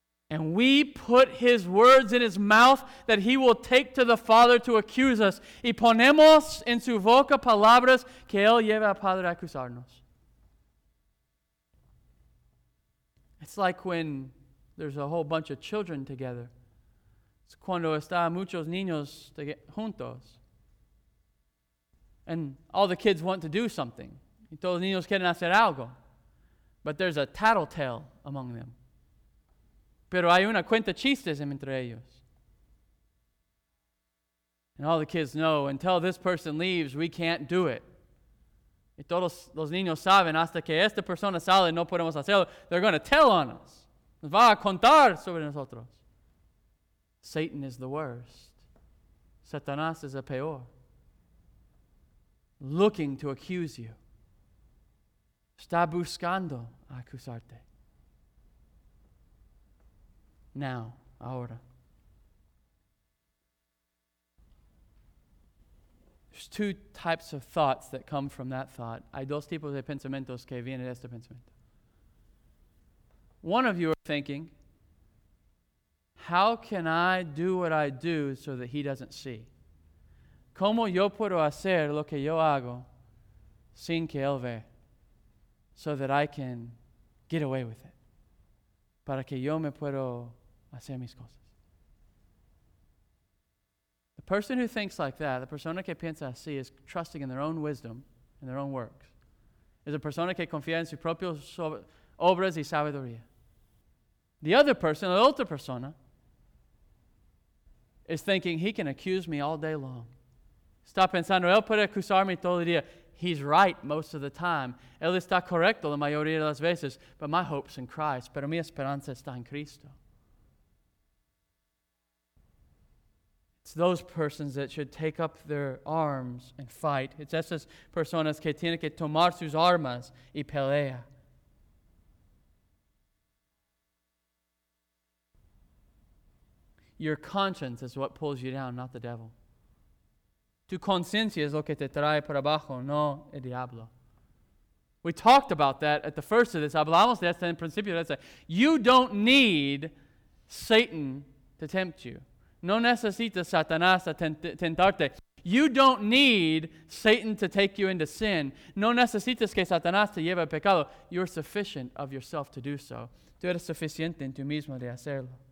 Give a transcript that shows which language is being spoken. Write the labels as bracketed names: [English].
[English] And we put his words in his mouth that he will take to the Father to accuse us. [Spanish] Y ponemos en su boca palabras que él lleva al Padre a acusarnos. [English] It's like when there's a whole bunch of children together. [Spanish] It's cuando está muchos niños juntos. [English] And all the kids want to do something. [Spanish] Y todos los niños quieren hacer algo. [English] But there's a tattletale among them. [Spanish] Pero hay una cuenta chistes entre ellos. [English] And all the kids know, until this person leaves, we can't do it. [Spanish] Y todos los niños saben, hasta que esta persona sale, no podemos hacerlo. [English] They're going to tell on us. [Spanish] Nos va a contar sobre nosotros. [English] Satan is the worst. [Spanish] Satanás es el peor. [English] Looking to accuse you. [Spanish] Está buscando acusarte. [English] Now, [Spanish] ahora. [English] There's two types of thoughts that come from that thought. [Spanish] Hay dos tipos de pensamientos que vienen de este pensamiento. [English] One of you are thinking, how can I do what I do so that he doesn't see? [Spanish] ¿Cómo yo puedo hacer lo que yo hago sin que él vea? [English] So that I can get away with it. [Spanish] Para que yo me puedo hacer mis cosas. [English] The person who thinks like that, the [Spanish] persona que piensa así, [English] is trusting in their own wisdom and their own works. [Spanish] Es la persona que confía en sus propias obras y sabiduría. [English] The other person, the other persona, is thinking he can accuse me all day long. [Spanish] Está pensando, él puede acusarme todo el día. [English] He's right most of the time. [Spanish] Él está correcto la mayoría de las veces. [English] But my hope's in Christ. [Spanish] Pero mi esperanza está en Cristo. [English] It's those persons that should take up their arms and fight. [Spanish] It's esas personas que tienen que tomar sus armas y pelea. [English] Your conscience is what pulls you down, not the devil. [Spanish] Tu conciencia es lo que te trae para abajo, no el diablo. [English] We talked about that at the first of this. [Spanish] Hablamos de esto en principio. [English] You don't need Satan to tempt you. [Spanish] No necesitas Satanás a tentarte. [English] You don't need Satan to take you into sin. [Spanish] No necesitas que Satanás te lleve al pecado. [English] You're sufficient of yourself to do so. [Spanish] Tú eres suficiente en tú mismo de hacerlo.